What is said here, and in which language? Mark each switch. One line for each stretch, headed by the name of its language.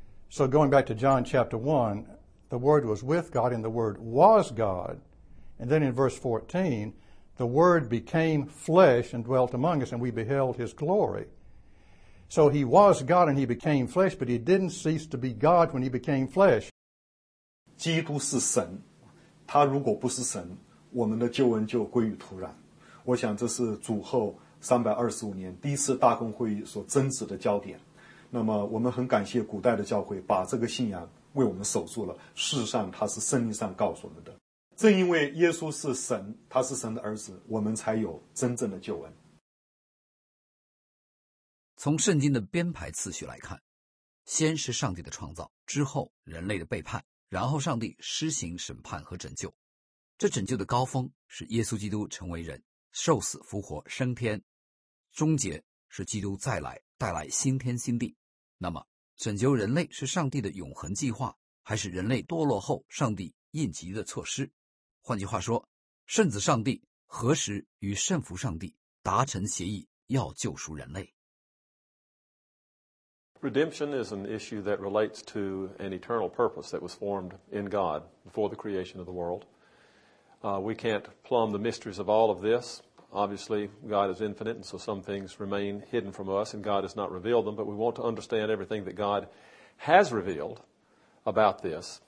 English: So going back to John chapter 1, the Word was with God and the Word was God. And then in verse 14, the Word became flesh and dwelt among us and we beheld his glory. So he was God and he became flesh, but he didn't cease to be God when he became flesh.
Chinese: 基督是神，他如果不是神，我们的救恩就归于徒然。我想这是主后325年第一次大公会议所争执的焦点。那么我们很感谢古代的教会把这个信仰为我们守住了，事实上他是圣经上告诉我们的。正因为耶稣是神，他是神的儿子，我们才有真正的救恩。从圣经的编排次序来看，先是上帝的创造，之后人类的背叛，然后上帝施行审判和拯救。这拯救的高峰是耶稣基督成为人，受死复活升天，终结是基督再来带来新天新地。那么拯救人类是上帝的永恒计划，还是人类堕落后上帝应急的措施？换句话说，圣子上帝何时与圣父上帝达成协议要救赎人类？
English: Redemption is an issue that relates to an eternal purpose that was formed in God before the creation of the world. We can't plumb the mysteries of all of this. Obviously, God is infinite, and so some things remain hidden from us, and God has not revealed them, but we want to understand everything that God has revealed about this.